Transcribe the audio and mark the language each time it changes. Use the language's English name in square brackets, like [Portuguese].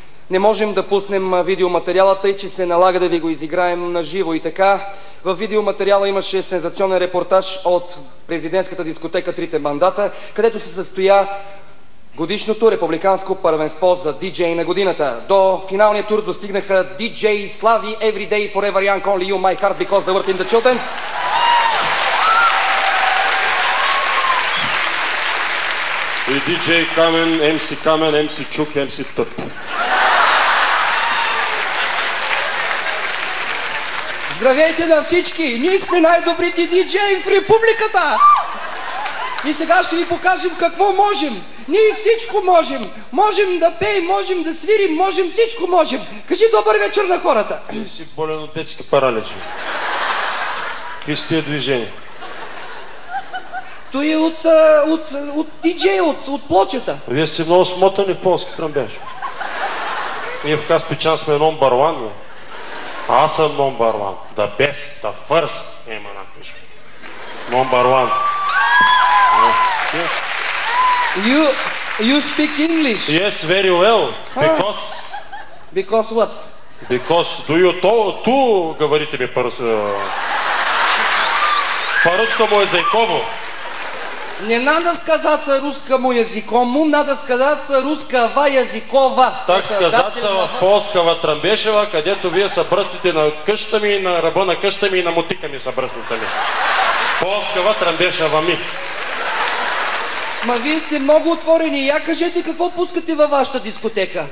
[Bulgarian] Не можем да пуснем видеоматериалата и че се налага да ви го изиграем на живо. И така, в видеоматериала имаше сензационен репортаж от президентската дискотека Трите мандата, където се състоя годишното републиканско първенство за диджей на годината. До финалния тур достигнаха диджей Слави, Everyday, Forever Young, Only You, My Heart, Because the World in the Children. И диджей Камен, MC Камен, MC Чук, MC Тъп. Здравейте на всички! Ние сме най-добрите диджеи в републиката! И сега ще ви покажем какво можем! Ние всичко можем! Можем да пеем, можем да свирим, можем всичко можем! Кажи добър вечер на хората! Ти си болен от детски паралич. Какви сте движения? Той е от диджей, от плочета. Вие сте много смотани в полски тръмбеж. Ние в Каспичан сме [English] номбър ван, [Bulgarian] но аз съм номбър ван. [English] The best, the first, [Bulgarian] има на пишка. Номбър ван. [English] You speak English? Yes, very well. Because? Because what? Because do you talk to, [Bulgarian] говорите ми по-русски. По-русско му езиково. [Russian] Не надо сказаться русскому языкому, надо сказаться русского языкова. Так сказаться [Bulgarian] в полского трамбешева, където вие събръстите на къщами, на ръба на къщами и на мутиками събръстите ли. Полского трамбешева ми. Ма вие сте много отворени. Я кажете какво пускате във вашата дискотека.